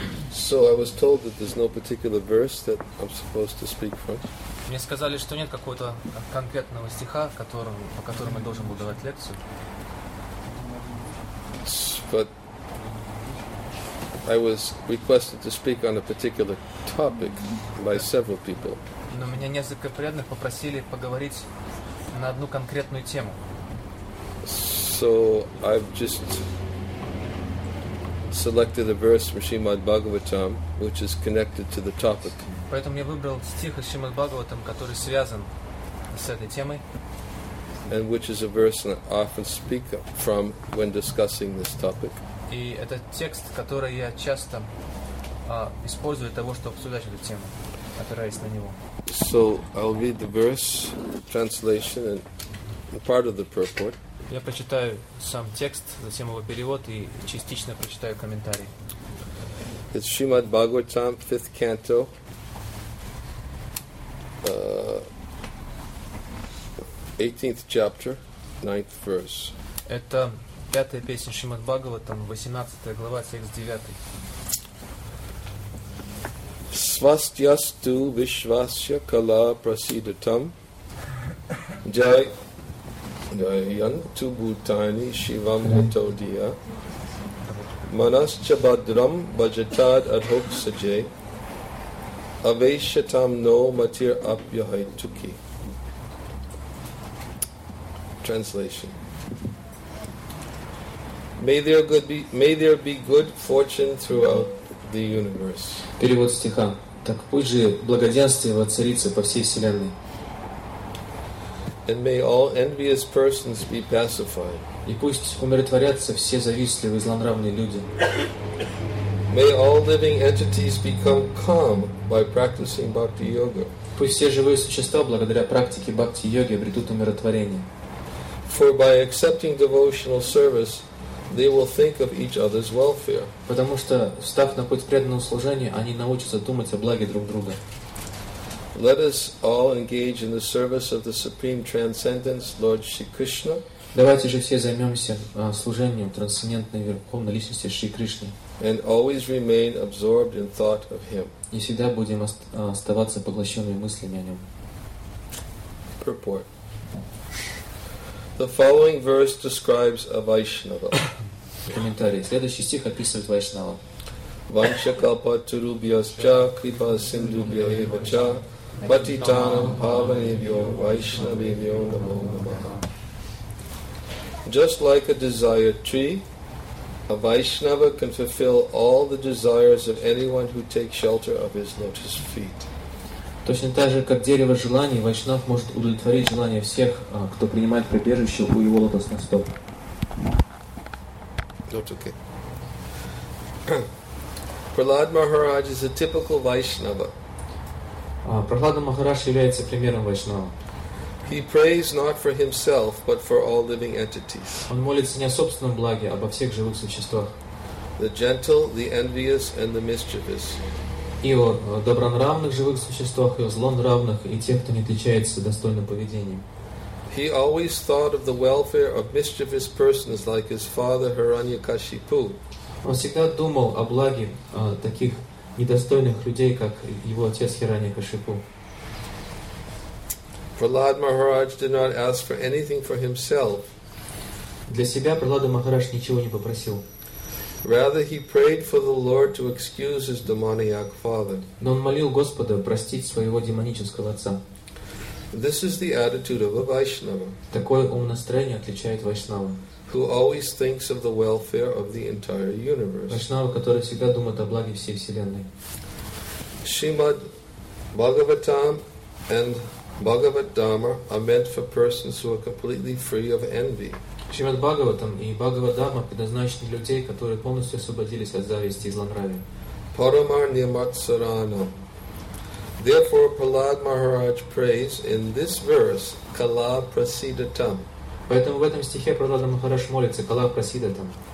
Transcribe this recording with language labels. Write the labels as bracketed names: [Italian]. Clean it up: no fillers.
[English] So I was told that there's no particular verse that I'm supposed to speak from. [Russian] Мне сказали, что нет какого-то конкретного стиха, по которому я должен был давать лекцию. [English] But I was requested to speak on a particular topic by several people. [Russian] Но меня несколько преданных попросили поговорить на одну конкретную тему. [English] So I've just selected a verse from Srimad Bhagavatam, which is connected to the topic. [Russian] Поэтому я выбрал стих из Шримад Бхагаватам, который связан с этой темой. [English] And which is a verse that I often speak from when discussing this topic. [Russian] И это текст, который я часто использую для того, чтобы обсуждать эту тему, опираясь на него. [English] So I'll read the verse, translation, and part of the purport. [Russian] Я прочитаю сам текст, затем его перевод и частично прочитаю комментарий. [English] It's Srimad Bhagavatam, 5th canto. Eighteenth chapter, ninth verse. [Russian] Это пятая песня Шримад Бхагаватам, 18 глава, текст 9. [Sanskrit] Свастьясту вишвасья кала прасидатам джай янту бутани шивам нитодия манасча бадрам баджатад адхок саджей Aveshatam no matir apyahai tuki. [English] Translation. May there be good fortune throughout the universe. [Russian] Перевод стиха. Так пусть же благоденствие воцарится по всей вселенной. [English] And may all envious persons be pacified. [Russian] И пусть умиротворятся все завистливые и злонравные люди. [English] May all living entities become calm by practicing bhakti yoga. [Russian] Пусть все живые существа благодаря практике бхакти йоги обретут умиротворение. [English] For by accepting devotional service, they will think of each other's welfare. [Russian] Потому что встав на путь преданного служения, они научатся думать о благе друг друга. [English] Let us all engage in the service of the supreme transcendence, Lord Shri Krishna. [Russian] Давайте же все займемся служением трансцендентной верховной личности Шри Кришны. [English] And always remain absorbed in thought of Him. [Russian] И всегда будем оставаться поглощенными мыслями о Нем. [English] Purport. The following verse describes a Vaishnava. [Russian] Комментарий. Следующий стих описывает Вайшнава. [Sanskrit] Ванчакалпатурубьясча крипасиндубьяевача патитанам паванебьо вайшнавебьо намо намаха. [English] Just like a desire tree, a Vaishnava can fulfill all the desires of anyone who takes shelter of his lotus feet. [Russian] Точно так же, как дерево желаний, Вайшнав может удовлетворить желания всех, кто принимает прибежище у его лотосных стоп. [English] Okay. Prahlad Maharaj is a typical Vaishnava. [Russian] Prahlada Maharaj является примером Вайшнава. [English] He prays not for himself, but for all living entities. [Russian] Он молится не о собственном благе, а обо всех живых существах. [English] The gentle, the envious, and the mischievous. [Russian] И о добронравных живых существах, и о злонравных, и тех, кто не отличается достойным поведением. [English] He always thought of the welfare of mischievous persons like his father Hiranyakashipu. [Russian] Он всегда думал о благе таких недостойных людей, как его отец Хираньякашипу. [English] Prahlad Maharaj did not ask for anything for himself. [Russian] Для себя Прахлада Махарадж ничего не попросил. [English] Rather, he prayed for the Lord to excuse his demoniac father. [Russian] Но он молил Господа простить своего демонического отца. [English] This is the attitude of a Vaishnava. [Russian] Такое умонастроение отличает Вайшнава. [English] Who always thinks of the welfare of the entire universe. [Russian] Вайшнава, который всегда думает о благе всей вселенной. [English] Shrimad Bhagavatam and Bhagavad Dharma are meant for persons who are completely free of envy. [Russian] Шримад Бхагаватам и Бхагавад Дхарма предназначены для людей, которые полностью освободились от зависти и злонравия. [Sanskrit] Парамар Нематсаранам. [English] Therefore, Prahlad Maharaj prays in this verse, Kala Prasidatam. [Russian] Поэтому в этом стихе Прахлада Махарадж молится Кала Прасидатам.